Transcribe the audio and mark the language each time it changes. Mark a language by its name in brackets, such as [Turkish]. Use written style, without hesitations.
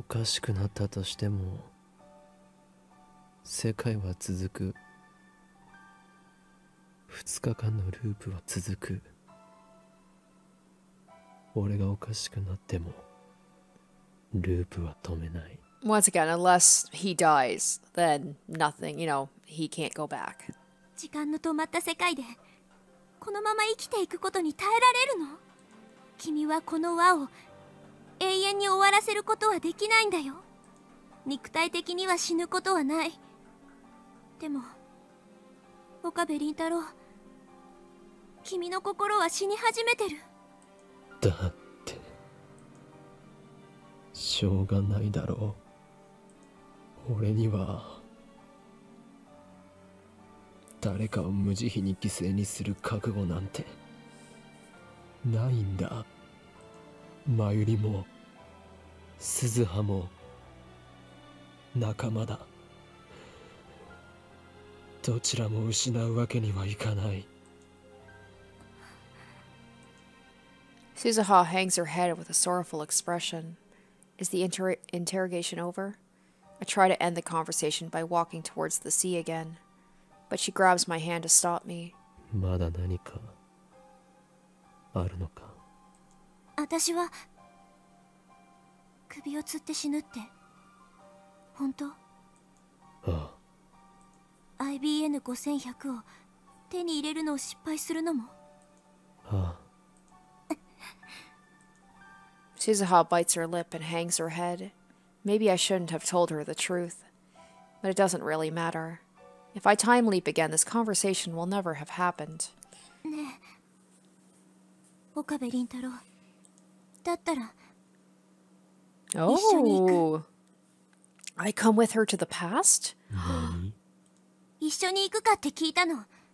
[Japanese] おかしくなったとしても、世界は続く。 2日間のループは続く。俺がおかしくなってもループは止めない。 [English] Once again, unless he dies, then nothing, you know, he can't go back. [Japanese] 時間の止まった世界でこのまま生きていくことに耐えられるの？君はこの輪を永遠に終わらせることはできないんだよ。肉体的には死ぬことはない。でも岡部凛太郎、君の心は死に始めてる。だってしょうがないだろう。俺には誰かを無慈悲に犠牲にする覚悟なんてないんだ。マユリもスズハも仲間だ。どちらも失うわけにはいかない。 [English] Suzuha hangs her head with a sorrowful expression. Is the interrogation over? I try to end the conversation by walking towards the sea again, but she grabs my hand to stop me. [Japanese] まだ何かあるのか。私は首を吊って死ぬって本当？ああ。 IBN5100 を手に入れるのを失敗するのも。ああ。 [English] Suzuha bites her lip and hangs her head. Maybe I shouldn't have told her the truth, but it doesn't really matter. If I time leap again, this conversation will never have happened. [Japanese] ねえ、岡部凛太郎、だったら、 [English] oh, [Japanese] 一緒に行く。 [English] I come with her to the past? [Japanese] 一緒に行くかって聞いたの。